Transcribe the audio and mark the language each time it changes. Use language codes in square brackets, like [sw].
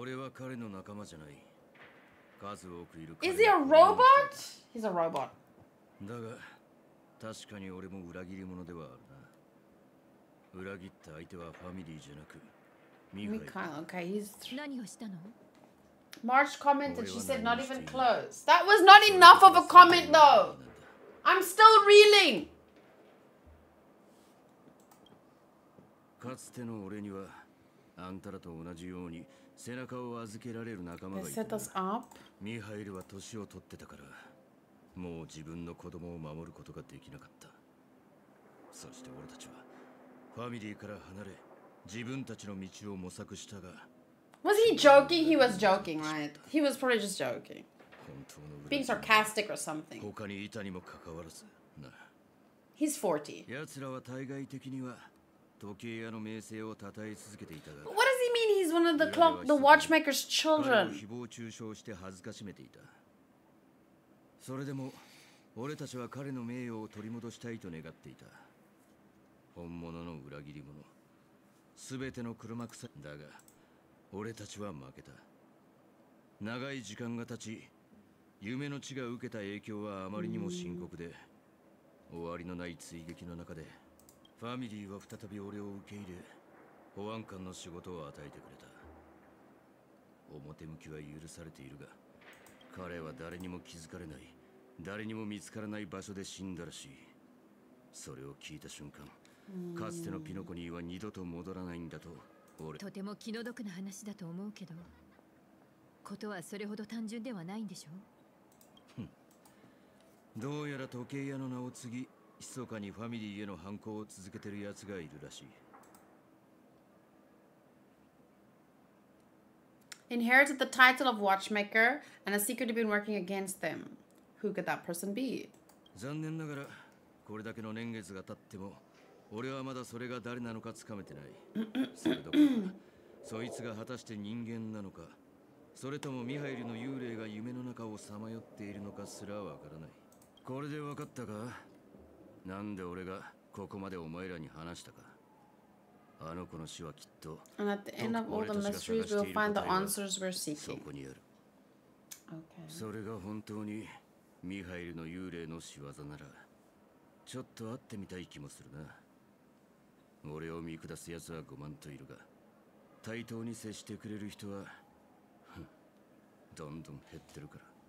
[ja] 俺は彼の仲間じゃない。数多くいる。 [en] Is he a robot? He's a robot. [ja] だが、確かに俺も裏切り者ではあるな。裏切った相手はファミリーじゃなく、ミカエル。 [en] Okay, he's [ja] 何をしたの [en] ？March commented. She said not even close. That was not enough of a comment, though. I'm still reeling. [ja] かつての俺にはあんたらと同じように。背中を預けられる仲間がいた。ミハイルは年を取ってたから、もう自分の子供を守ることができなかった。そして俺たちはファミリーから離れ、自分たちの道を模索したが。 [en] Was he joking? He was joking, right? He was probably just joking. [ja] 本当の [en] Being sarcastic or something. [ja] 他にいたにもかかわらずな。 [en] He's 40. [ja] 奴らは対外的には時計屋の名声を称え続けていたが。 [en] What does he mean? He's one of the clock, the watchmaker's children. [ja] 誹謗中傷して恥ずかしめていた。それでも、俺たちは彼の名誉を取り戻したいと願っていた。本物の裏切り者、すべての黒幕さ。だが、俺たちは負けた。長い時間が経ち、夢の地が受けた影響はあまりにも深刻で、終わりのない追撃の中で。ファミリーは再び俺を受け入れ、保安官の仕事を与えてくれた。表向きは許されているが、彼は誰にも気づかれない、誰にも見つからない場所で死んだらしい。それを聞いた瞬間、かつてのピノコニーは二度と戻らないんだと、俺。とても気の毒な話だと思うけど、ことはそれほど単純ではないんでしょう。どうやら時計屋の名を継ぎ、密かにファミリーへの反抗を続けてる奴がいるらしい。 [en] Inherited the title of Watchmaker and has secretly been working against them. Who could that person be? [ja] 残念ながら、これだけの年月が経っても、俺はまだそれが誰なのかつかめてない。それどころか、そいつが果たして人間なのか、それともミハイルの幽霊が夢の中をさまよっているのかすらわからない。これでわかったか？なんで俺がここまでお前らに話したか。あの子の死はきっと。 [en] And at the end of all the mysteries, we'll find the answers we're seeking. [ja] そこにある。 [en] Okay. [ja] それが本当にミハイルの幽霊の仕業なら、ちょっと会ってみたい気もするな。俺を見下す奴は5万といるが、対等に接してくれる人は、どんどん減ってるから。